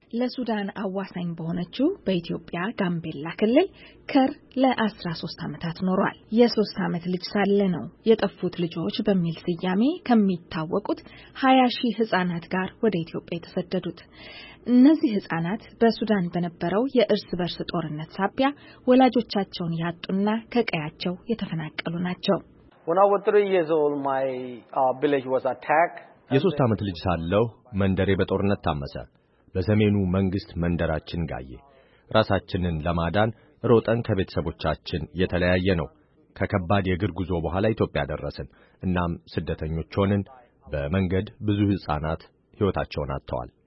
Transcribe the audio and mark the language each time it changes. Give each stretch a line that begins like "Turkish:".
Amharic: ለሱዳን አዋሳኝ በሆነችው በኢትዮጵያ ጋምቤላ ክልል ኬር ለ13 ዓመታት ኖሯል። የ3 ዓመት ልጅ ሳለ ነው የጠፉት ልጆች በሚል ስያሜ ከሚታወቁት 20,000 ሕፃናት ጋር ወደ ኢትዮጵያ የተሰደዱት። እነዚህ ሕፃናት በሱዳን በነበረው የእርስ በርስ ጦርነት ሳቢያ ወላጆቻቸውን ያጡና ከቀያቸው የተፈናቀሉ ናቸው።
English: When I was 3 years old, my village was attacked.
Amharic: የሶስት ዓመት ልጅ ሳለሁ መንደሬ በጦርነት ታመሰ። በሰሜኑ መንግስት መንደራችን ጋየ። ራሳችንን ለማዳን ሮጠን ከቤተሰቦቻችን የተለያየ ነው። ከከባድ የግር ጉዞ በኋላ ኢትዮጵያ ደረስን። እናም ስደተኞች ሆነን በመንገድ ብዙ ህፃናት ህይወታቸውን አጥተዋል።